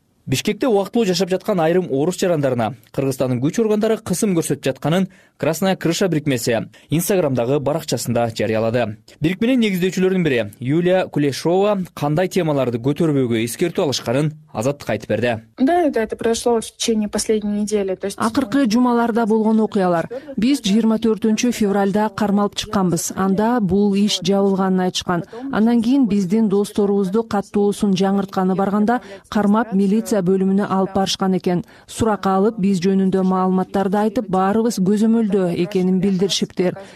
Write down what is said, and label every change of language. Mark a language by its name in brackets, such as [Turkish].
[Kyrgyz] Бишкекте убактылуу жашап жаткан айрым орус жарандарына Кыргызстандын күч органдары кысым көрсөтүп жатканын Красная Крыша бирикмеси Инстаграмдагы баракчасында жарыялады. Бирикменин негиздөөчүлөрүнүн бири Юлия Кулешова кандай темаларды көтөрбөөгө эскертүү алышканын азаттык айтып берди. [Russian] Да, да, это произошло в течение последней недели. То есть [Kyrgyz] акыркы жумаларда болгон окуялар. Биз 24 февральда кармалып чыкканбыз. Анда бул иш жабылганын айтышкан. Андан кийин биздин досторубузду каттоосун жаңыртканы барганда кармап милиция бөлүмүнө алып барышкан экен. Суракка алып, биз жөнүндө маалыматтарды айтып, баарыбыз көзөмөлдө экенин билдиришиптер.